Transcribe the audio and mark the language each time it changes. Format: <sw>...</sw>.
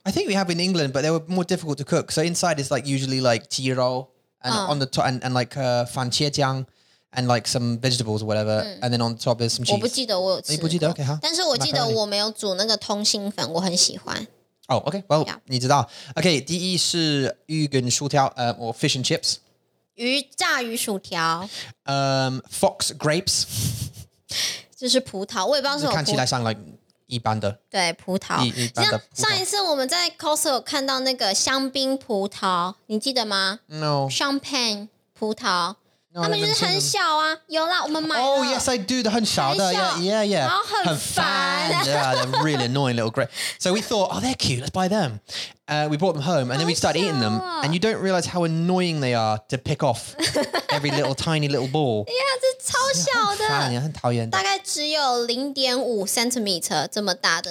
<en>I think we have in England, but they were more difficult to cook. So inside is like usually like 鸡肉 and on the top and like 番茄酱 and like some vegetables or whatever, and then on the top is some cheese.</en> <zh>我不记得我有吃过。你不记得？</zh> <en>Okay, huh?</en> <zh>但是我记得我没有煮那个通心粉，我很喜欢。</zh> <en>Oh, okay. Well, yeah.</en> <zh>你知道.</zh> <en>Okay,</en> <zh>第一是鱼跟薯条,</zh> <en>or fish and chips.</en> <zh>鱼炸鱼薯条.</zh> <en>Fox grapes.</en> <zh>就是葡萄, 我也不知道什么葡萄. 看起来像 like 一般的. 对, 葡萄. 一般的葡萄. 上一次我们在 Costco 看到那个香槟葡萄, 你记得吗?</zh> <en>No.</en> <zh>Champagne 葡萄. No, 他们就是很小啊, 有啦, 我们买了。</zh> <en>Oh, yes, I do,</en> <zh>很小的, 很小,</zh> <en>yeah, yeah, yeah.</en> <zh>然后很烦,</zh> <en>yeah, they're really annoying little grapes. So we thought, oh, they're cute, let's buy them. We brought them home, and then we started eating them, and you don't realize how annoying they are to pick off every little tiny little ball.</en> <zh>Yeah, 这超小的, 很烦, 很讨厌的, 大概只有 0.5cm 这么大的,</zh>